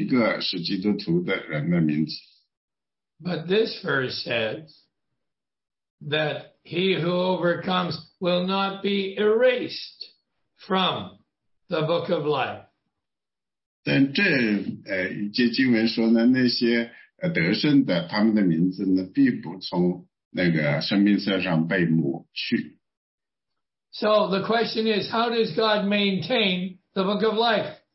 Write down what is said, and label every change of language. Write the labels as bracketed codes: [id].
[zh] 所以在他的这个书里呢,列出了每一个是基督徒的人的名字。 [en] But this verse says that he who overcomes will not be erased from the book of life. [zh] 但这一节经文说呢,那些得胜的,他们的名字呢,并不从那个生命册上被抹去。 [en] So the question is, how does God maintain the book of life?